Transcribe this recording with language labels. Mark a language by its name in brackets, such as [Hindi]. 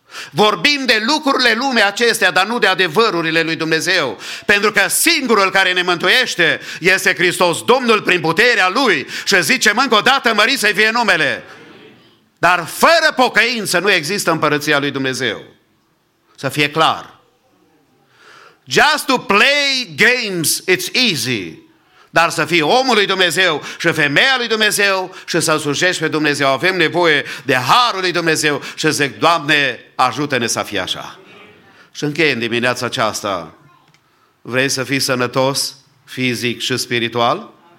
[Romanian] Vorbim de lucrurile lumii acestea, dar nu de adevărurile lui Dumnezeu. Pentru că singurul care ne mântuiește este Hristos, Domnul prin puterea Lui. Și zicem încă o dată, mărit să-i fie numele. Dar fără pocăință nu există împărăția lui Dumnezeu. Să fie clar. [English] Just to play games, it's easy. [Romanian] Dar să fii omul lui Dumnezeu și femeia lui Dumnezeu și să-L slujești pe Dumnezeu. Avem nevoie de harul lui Dumnezeu și zic, Doamne, ajută-ne să fie așa. Și încheie în dimineața aceasta. Vrei să fii sănătos, fizic și spiritual?